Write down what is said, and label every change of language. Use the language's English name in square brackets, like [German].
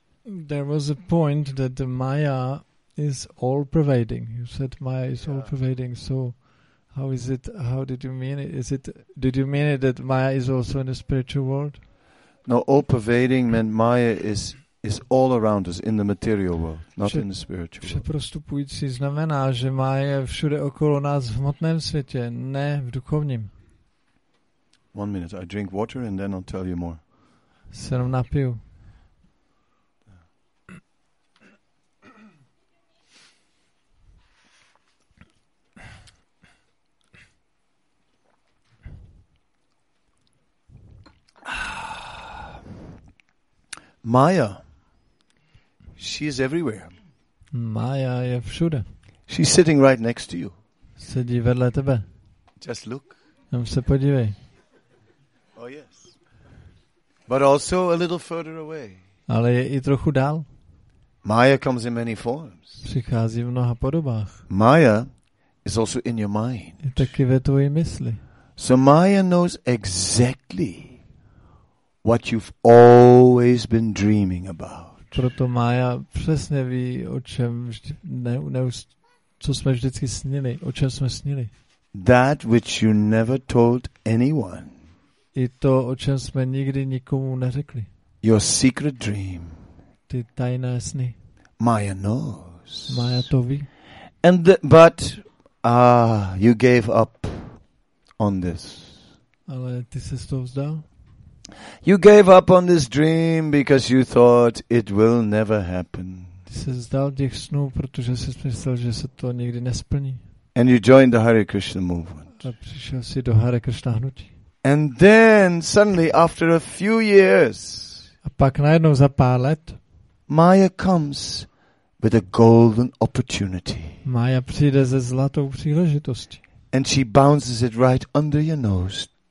[English] There was a point that the Maya is all pervading. You said Maya is all pervading. So how is it, how did you mean it? Is it, did you mean it that Maya is also in the spiritual world? No, all pervading meant Maya is all around us in the material world, not in the spiritual world. [Czech] Přeprostupující znamená, že Maya je všude okolo nás v hmotném světě, ne v duchovním. [English] 1 minute, I drink water and then I'll tell you more. [Czech] Se jenom napiju. [English] Maya, she is everywhere. [Czech] Maya je všude. [English] She's sitting right next to you. [Czech] Sedí vedle tebe. [English] Just look. [Czech] Jen se podívej. [English] Oh yes. But also a little further away. [Czech] Ale je i trochu dál. [English] Maya comes in many forms. [Czech] Přichází v mnoha podobách. [English] Maya is also in your mind. [Czech] Je taky ve tvojí mysli. [English] So Maya knows exactly what you've always been dreaming about. [Czech] Proto Maya přesně ví, o čem vždy, co jsme vždycky snili, o čem jsme snili. [English] That which you never told anyone. [Czech] I to, o čem jsme nikdy nikomu neřekli. [English] Your secret dream. [Czech] Ty tajné sny. [English] Maya knows. [Czech] Maya to ví. [English] And the, but you gave up on this. [Czech] Ale ty se z toho vzdal. [English] You gave up on this dream because you thought it will never happen. [Czech] Ty jsi vzdal těch snů, protože jsi myslel, že se to nikdy nesplní. [English] And you joined the Hare Krishna movement. [Czech] A přišel jsi do Hare Krishna hnutí. [English] And then suddenly after a few years. [Czech] A pak najednou za pár let. [English] Maya comes with a golden opportunity. [Czech] Maya přijde se zlatou příležitostí. [English] And she bounces it right under your nose.